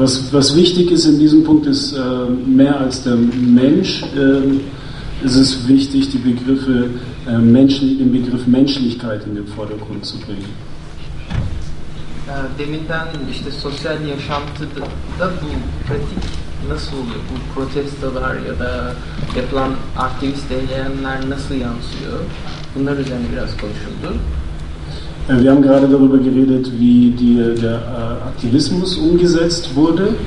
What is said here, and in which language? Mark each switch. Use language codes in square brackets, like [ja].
[de] Was wichtig ist in diesem Punkt ist mehr als der Mensch. Es ist wichtig, die Begriffe den Begriff Menschlichkeit in den Vordergrund zu bringen. [tr] Deminden işte sosyal yaşantıda da bu pratik nasıl oluyor? Bu protestolar ya da yapılan aktivist eylemler nasıl yansıyor? Bunlar üzerine biraz konuşuldu. [de] Wir haben gerade darüber geredet, wie der Aktivismus umgesetzt wurde.